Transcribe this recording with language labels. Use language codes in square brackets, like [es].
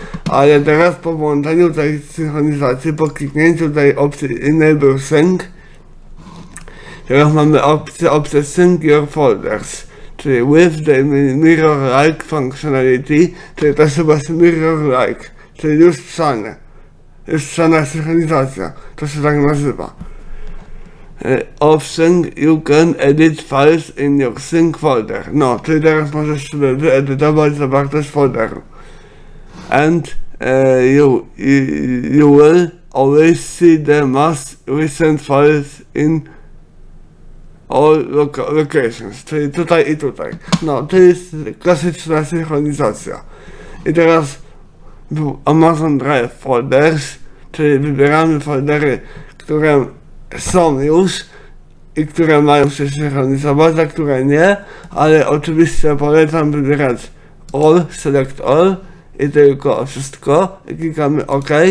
[pl] Ale teraz po włączeniu tej synchronizacji, po kliknięciu tej opcji Enable Sync, teraz mamy opcję Sync Your Folders, czyli [en] With the Mirror-like Functionality, [pl] czyli to jest właśnie Mirror-like, czyli lustrzana synchronizacja, to się tak nazywa. [en] Option, you can edit files in your sync folder. [pl] No, czyli teraz możesz sobie wyedytować zawartość folderu. [en] And you will always see the most recent files in all locations. [pl] Czyli tutaj i tutaj. No, to jest klasyczna synchronizacja. I teraz Amazon Drive folders, czyli wybieramy foldery, które są już i które mają się synchronizować, a które nie, ale oczywiście polecam wybierać All, Select All i tylko wszystko i klikamy OK.